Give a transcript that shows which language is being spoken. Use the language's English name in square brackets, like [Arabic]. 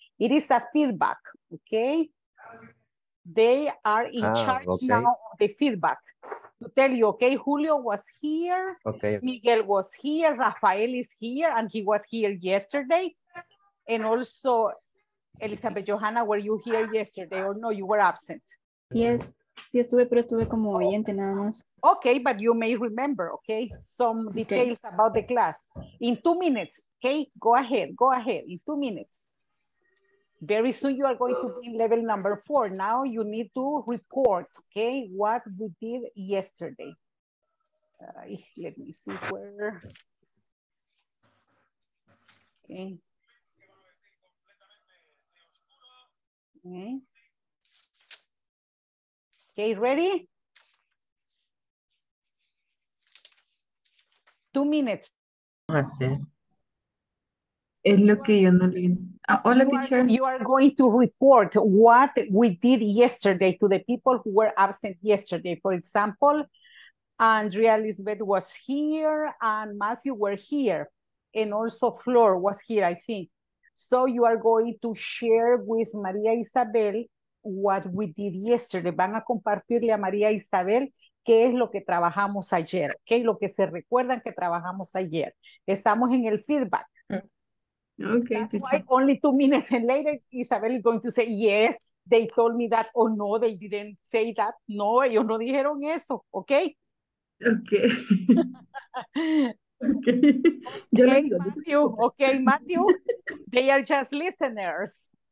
[English] It is a feedback, okay? They are in charge now of the feedback. To tell you, okay, Julio was here. Okay. Miguel was here. Rafael is here, and he was here yesterday. And also, Elizabeth Johanna, were you here yesterday or no? You were absent. [Spanish] Yes, sí estuve, pero estuve como oyente nada más. [English] Okay, but you may remember, okay, some details about the class. In 2 minutes, okay, go ahead, in 2 minutes. Very soon you are going to be in level number 4. Now you need to report, okay, what we did yesterday. Let me see where. Okay. Okay, ready? 2 minutes. [Spanish] Es lo que yo no le... Hola, teacher. [English] You are going to report what we did yesterday to the people who were absent yesterday. For example, Andrea Lisbeth was here and Matthew were here. And also Flor was here, I think. So you are going to share with Maria Isabel what we did yesterday. [Spanish] Van a compartirle a Maria Isabel qué es lo que trabajamos ayer, qué es lo que se recuerdan que trabajamos ayer. Estamos en el feedback. [English] Okay, that's why only 2 minutes later, Isabel is going to say, yes, they told me that, or no, they didn't say that. [Spanish] No, ellos no dijeron eso, okay? [English] Okay. Okay. Okay, Matthew, okay, Matthew, they are just listeners.